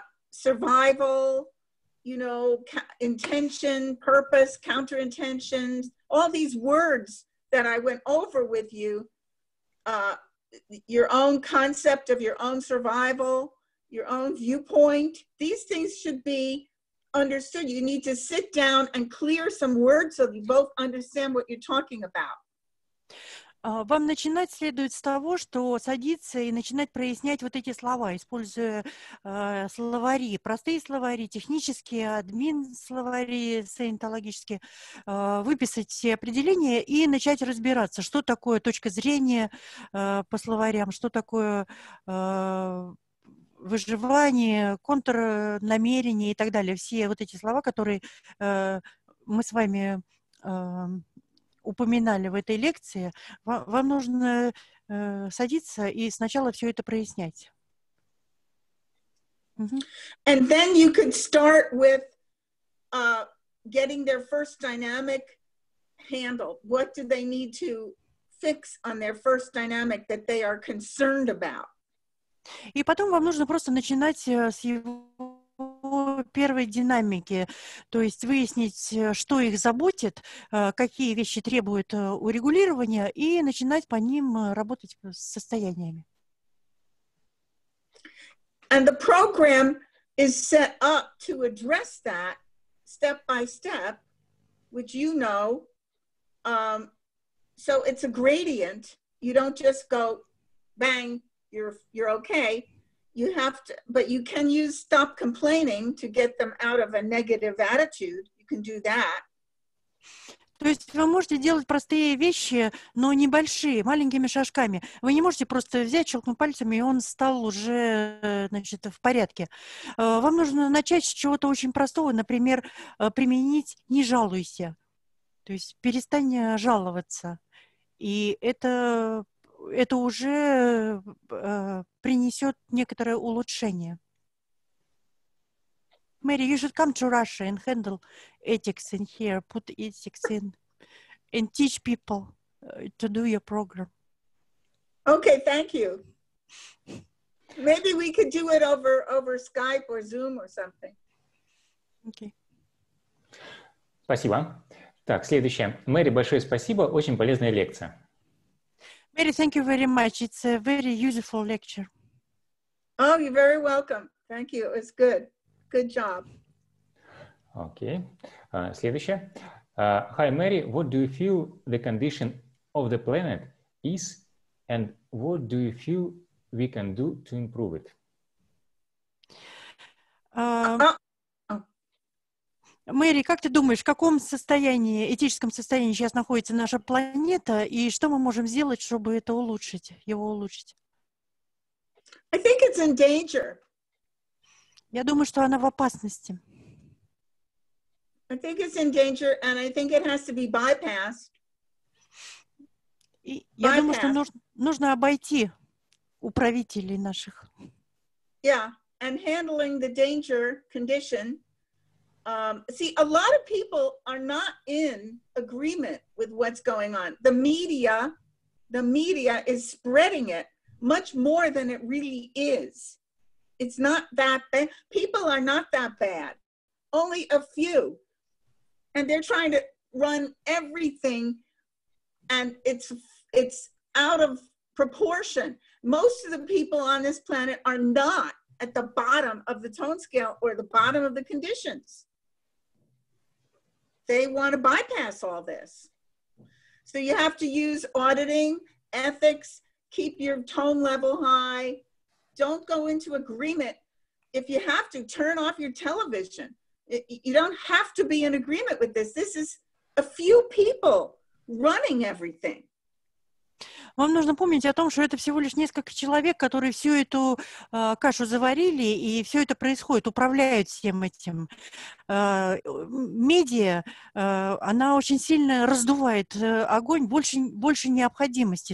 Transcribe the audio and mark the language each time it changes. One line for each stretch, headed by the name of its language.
English: Survival, you know, intention, purpose, counterintentions, all these words that I went over with you, your own concept of your own survival, your own viewpoint, these things should be understood. You need to sit down and clear some words so you both understand what you're talking about.
Russian: Вам начинать следует с того, что садиться и начинать прояснять вот эти слова, используя словари, простые словари, технические, админ словари, саентологические, выписать все определения и начать разбираться, что такое точка зрения по словарям, что такое выживание, контрнамерение и так далее. Все вот эти слова, которые мы с вами упоминали в этой лекции, вам нужно садиться и сначала все это прояснять. Mm-hmm.
English: And then you could start with getting their first dynamic handle. What do they need to fix on their first dynamic that they are concerned about?
Russian: И потом вам нужно просто начинать с его первой динамики, то есть выяснить, что их заботит, какие вещи требуют урегулирования, и начинать по ним работать с состояниями.
English: And the program is set up to address that step by step, which you know. So it's a gradient. You don't just go bang, you're okay. You have to, but you can use stop complaining to get them out of a negative attitude. You can do that.
Russian: То есть вы можете делать простые вещи, но небольшие, маленькими шажками. Вы не можете просто взять, щелкнуть пальцами, и он стал уже, значит, в порядке. Вам нужно начать с чего-то очень простого, например, применить «не жалуйся». То есть перестань жаловаться. И это уже принесет некоторое улучшение.
English: Мэри, you should come to Russia and handle ethics in here, put ethics in, and teach people to do your program. Okay, thank you. Maybe we could do it over Skype or Zoom or something. Okay.
Russian: Спасибо. Так, следующее. Мэри, большое спасибо. Очень полезная лекция.
English: Mary, thank you very much. It's a very useful lecture. Oh, you're very welcome. Thank you. It's good. Good job. Okay.
Russian: Следующее.
English: Hi, Mary. What do you feel the condition of the planet is, and what do you feel we can do to improve it?
Russian: Мэри, как ты думаешь, в каком состоянии, этическом состоянии сейчас находится наша планета, и что мы можем сделать, чтобы это улучшить, его улучшить?
English: I think it's in danger.
Russian: Я думаю, что она в опасности.
English: I think it's in danger, and I think it has to be bypassed.
Russian: Я думаю, что нужно обойти управителей наших.
English: Yeah, and handling the danger condition. See, a lot of people are not in agreement with what's going on. The media is spreading it much more than it really is. It's not that bad. People are not that bad. Only a few. And they're trying to run everything, and it's out of proportion. Most of the people on this planet are not at the bottom of the tone scale or the bottom of the conditions. They want to bypass all this. So you have to use auditing, ethics, keep your tone level high. Don't go into agreement. If you have to, turn off your television. You don't have to be in agreement with this. This is a few people running everything.
Russian: Вам нужно помнить о том, что это всего лишь несколько человек, которые всю эту кашу заварили, и все это происходит, управляют всем этим. Медиа, она очень сильно раздувает огонь, больше необходимости.